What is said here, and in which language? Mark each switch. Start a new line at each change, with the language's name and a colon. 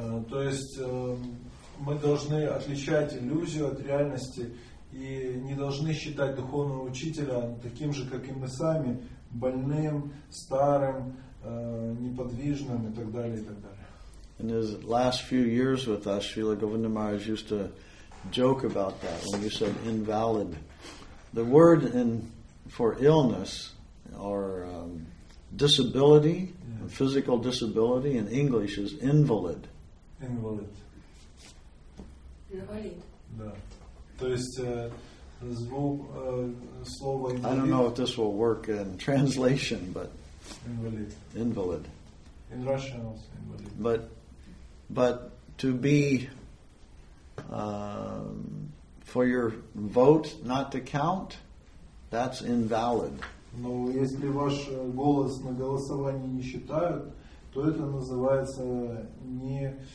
Russian: То есть мы должны отличать иллюзию от реальности и не должны считать духовного учителя таким же, как и мы сами, больным, старым, неподвижным и так далее, и так далее.
English: In his last few years with us, Srila Govinda Maharaj used to joke about that when you said invalid. The word for illness or disability, yeah. Physical disability in English is invalid. Invalid. Invalid.
Russian: Да. То есть слово invalid.
English: I don't know if this will work in translation, but invalid. Invalid. In Russian also invalid. But to be for your vote not to count, that's invalid.
Russian: Но если ваш голос на голосовании не считают, то это называется не.